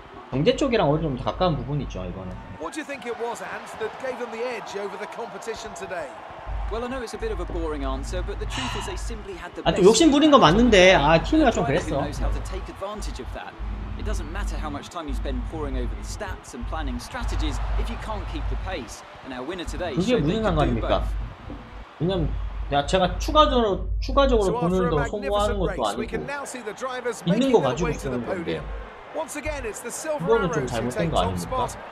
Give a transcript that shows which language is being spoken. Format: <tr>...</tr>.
<ko>경제 쪽이랑 어느 정도 가까운 부분 있죠 이거는.</ko> <en>What do you think it was, Ant, that gave them the edge over the competition today? Well, I know it's a bit of a boring answer, but the truth is they simply had the.</en> <ko>아, 좀 욕심 부린 거 맞는데, 아 키미가 좀 그랬어.</ko> <en>It doesn't matter how much time you spend poring over the stats and planning strategies if you can't keep the pace. And our winner today showed they can do both.</en> <ko>그게 무슨 상관입니까? 왜냐면 야 제가 추가적으로 돈을 더 소모하는 것도 아니고 있는 거 가지고 있는 건데.</ko> <en>Once again, it's the silver arrows who take top spot.</en>